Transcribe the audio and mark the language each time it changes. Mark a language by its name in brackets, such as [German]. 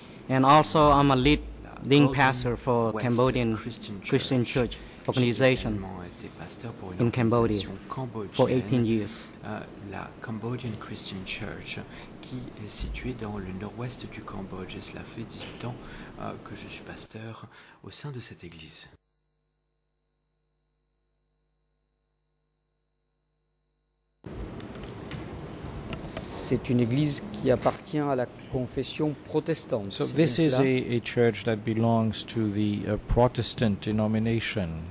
[English] And also I'm a leading pastor for Cambodian Christian Church organization in Cambodia for 18 years. [French] La Cambodian Christian Church qui est situé dans le nord-ouest du Cambodge. Et cela fait 18 ans que je suis pasteur au sein de cette église. C'est une église qui appartient à la confession protestante. [English] So this is a church that belongs to the Protestant denomination.